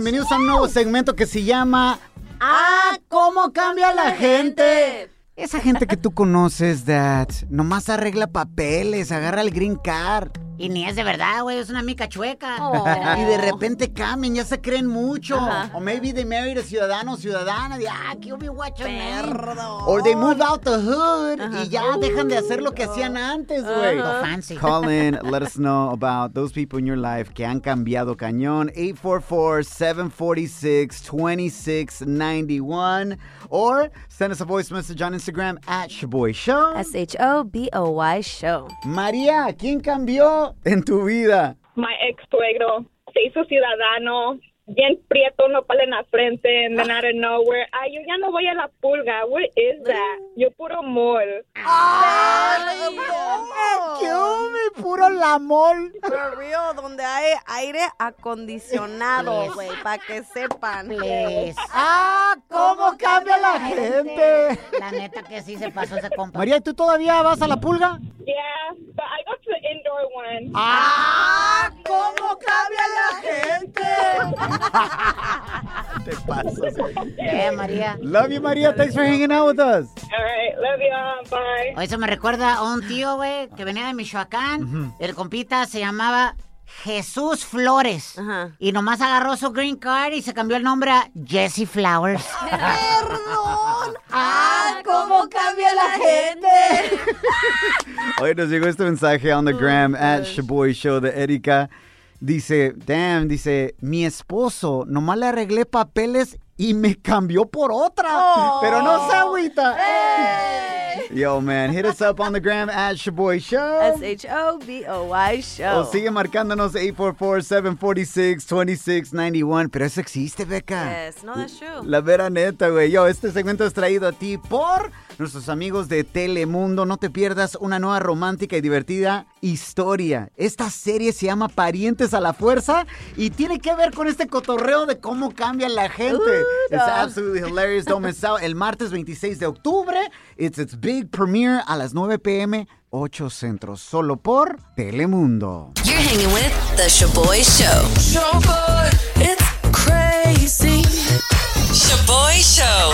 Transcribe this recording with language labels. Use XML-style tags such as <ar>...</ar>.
<es>Bienvenidos a un nuevo segmento que se llama ¿Cómo cambia la gente? Esa gente que tú conoces</es> <en>that</en> <es>nomás arregla papeles, agarra el green card. Y ni es de verdad, güey, es una mica chueca. Y de repente cambian, ya se creen mucho. Uh-huh. O</es> <en>maybe they married a</en> <es>ciudadano o ciudadana. Y, aquí hubo guacho nerdo.</es> <en>Or they move out the hood</en> <es>y ya dejan de hacer lo que hacían antes, güey.</es> <en>Uh-huh. Fancy. Call in, let us know about those people in your life</en> <es>que han cambiado cañón.</es> <en>844-746-2691. Or send us a voice message on Instagram at Shaboy Show. Shaboy Show.</en> <es>María, ¿quién cambió en tu vida?</es> <en>My ex-suegro.</en> <es>Se hizo ciudadano. Bien prieto, no pala en la frente.</es> <en>And then out of nowhere.</en> <es>Ay, yo ya no voy a la pulga.</es> <en>What is that?</en> <es>Yo puro mol. ¡Ay! ¡Ay! ¡Qué puro la mol!</es> <en>For real,</en> <es>donde hay aire acondicionado, güey. Para que sepan.</es> <en>Please.</en> <es>¿Cómo cambia la gente? La neta que sí se pasó ese compa. María, ¿tú todavía vas a la pulga?</es> <en>Yeah, but I got to the indoor one.</en> <es>¿Cómo cambia la gente? Te pasas.</es> <en>Yeah, María. Love you, María. Thanks for hanging out with us. All right, love you all. Bye.</en> <es>Eso me recuerda a un tío, güey, que venía de Michoacán. Uh-huh. El compita se llamaba Jesús Flores. Uh-huh. Y nomás agarró su green card y se cambió el nombre a Jesse Flowers. ¡Perdón! ¿Cómo cambia la gente? Oye, nos llegó este mensaje</es> <en>on the gram at</en> <es>Shaboy Show de Erika. Dice, damn, dice, mi esposo nomás le arreglé papeles y me cambió por otra. Oh. Pero no se agüita. Hey.</es> <en>Yo, man, hit us up on the gram at Shaboy Show. Shaboy Show.</en> <es>O sigue marcándonos 844-746-2691. Pero eso existe, Becca.</es> <en>Yes, no, that's true.</en> <es>La vera neta, güey. Yo, este segmento es traído a ti por nuestros amigos de Telemundo. No te pierdas una nueva romántica y divertida historia. Esta serie se llama Parientes a la Fuerza y tiene que ver con este cotorreo de cómo cambia la gente.</es> <en>It's absolutely hilarious. Don't miss out.</en> <es>El martes 26 de octubre,</es> <en>it's its big premiere</en> <es>a las 9 p.m., 8 Centro, solo por Telemundo.</es> <en>You're hanging with The Shaboy Show. Shaboy, it's crazy. Shaboy Show.</en>